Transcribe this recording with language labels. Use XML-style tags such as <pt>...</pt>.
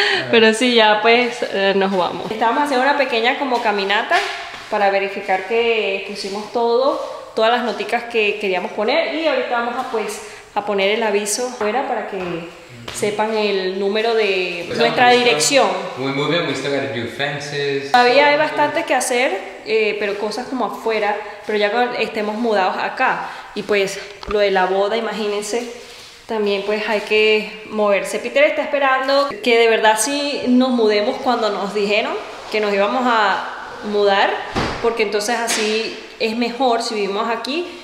<es>Pero sí, ya pues nos vamos. Estábamos haciendo una pequeña como caminata para verificar que pusimos todo, todas las noticas que queríamos poner, y ahorita vamos a pues a poner el aviso fuera para que sepan el número de nuestra dirección.</es> <en>We move in, we still gotta do fences.</en> <es>Todavía hay bastante que hacer, pero cosas como afuera, pero ya estemos mudados acá. Y pues lo de la boda, imagínense, también pues hay que moverse. Peter está esperando que de verdad sí nos mudemos cuando nos dijeron que nos íbamos a mudar, porque entonces así es mejor si vivimos aquí.</es>